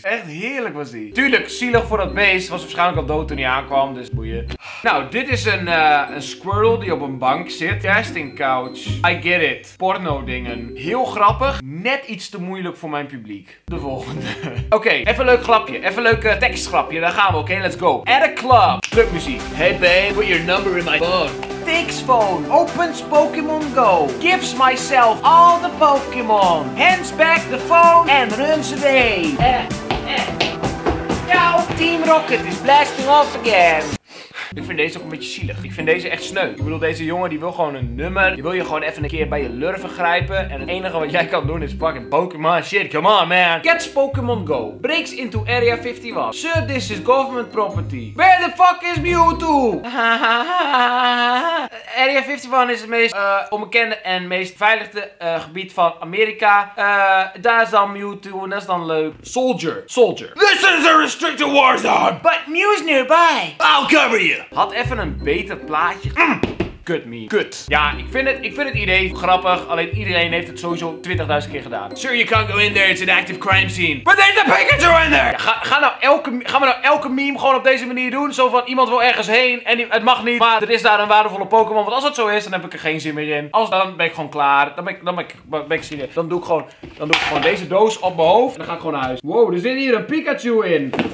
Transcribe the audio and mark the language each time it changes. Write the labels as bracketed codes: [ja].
[nl] Echt heerlijk was die. Tuurlijk, zielig voor dat beest. Was waarschijnlijk al dood toen hij aankwam. Dus boeien. Nou, dit is een squirrel die op een bank zit. [en] Casting couch. I get it. [nl] Porno dingen. Heel grappig. Net iets te moeilijk voor mijn publiek. De volgende. Oké, okay, even een leuk grapje. Even een leuk tekstgrapje. Daar gaan we, oké? [en] Okay? Let's go. At a club. Clubmuziek. Hey babe, put your number in my phone. Takes phone, opens Pokemon Go, gives myself all the Pokemon, hands back the phone and runs away. [nl] Jouw [en] Team Rocket is blasting off again. [nl] Ik vind deze ook een beetje zielig. Ik vind deze echt sneu. Ik bedoel, deze jongen die wil gewoon een nummer. Die wil je gewoon even een keer bij je lurven grijpen. En het enige wat jij kan doen is fucking Pokémon shit. [en] Come on, man. Catch Pokémon Go. Breaks into Area 51. Sir, this is government property. Where the fuck is Mewtwo? [nl] Area 51 is het meest onbekende en meest veiligde gebied van Amerika. Daar is dan Mewtwo en dat is dan leuk. [en] Soldier. Soldier. This is a restricted war zone. But Mew's nearby. I'll cover you. [nl] Had even een beter plaatje. Kut me. Kut. Ja, ik vind het idee grappig. Alleen iedereen heeft het sowieso 20.000 keer gedaan. [en] Sir, you can't go in there. It's an active crime scene. But there's a Pikachu in there! [nl] Ja, gaan we nou elke meme gewoon op deze manier doen? Zo van, iemand wil ergens heen en het mag niet. Maar er is daar een waardevolle Pokémon. Want als dat zo is, dan heb ik er geen zin meer in. Als dan ben ik gewoon klaar. Dan ben ik zin in. Dan doe ik gewoon deze doos op mijn hoofd. En dan ga ik gewoon naar huis. Wow, er zit hier een Pikachu in.